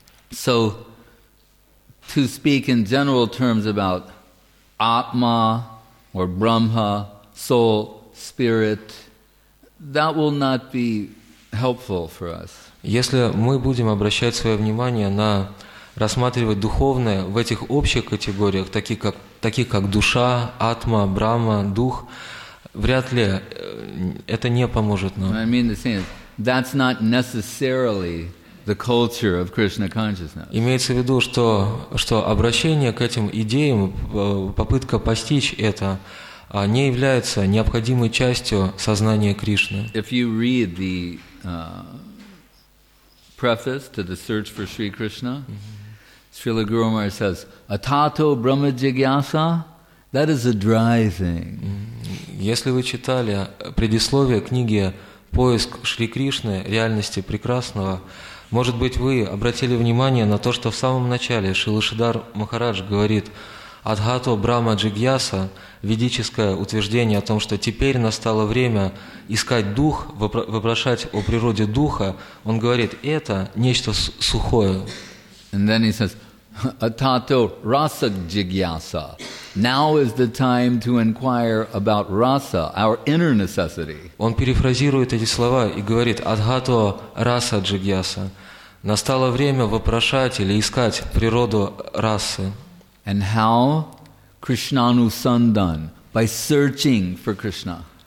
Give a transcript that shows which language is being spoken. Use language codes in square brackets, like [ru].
[en] So, to speak in general terms about Atma or Brahma, soul, spirit, that will not be helpful for us. [ru] Если мы будем обращать свое внимание на рассматривать духовное в этих общих категориях, таких как душа, Атма, Брахма, дух, вряд ли это не поможет нам. [en] I mean the same. That's not necessarily the culture of Krishna consciousness. [ru] Имеется в виду, что обращение к этим идеям, попытка постичь это, не является необходимой частью сознания Кришны. [en] If you read the preface to the Search for Sri Krishna, Srila Guru Maharaj says, [sa] Atato Brahma Jigyasa, [en] that is a dry thing. [ru] Если вы читали предисловие книги «Поиск Шри Кришны. Реальности прекрасного», Может быть, вы обратили внимание на то, что в самом начале Шрила Шридхар Махарадж говорит [sa] «Адхато Брахма Джигьяса» [ru] – ведическое утверждение о том, что теперь настало время искать дух, вопрошать о природе духа. Он говорит, это нечто сухое. [en] And then he says, [sa] «Адхато Раса Джигьяса» [en] – «Now is the time to inquire about Rasa, our inner necessity». [ru] Он перефразирует эти слова и говорит [sa] «Адхато Раса Джигьяса» [ru] – «Настало время вопрошать или искать природу расы». [en] And how? Krishnanu sandan, by searching for Krishna.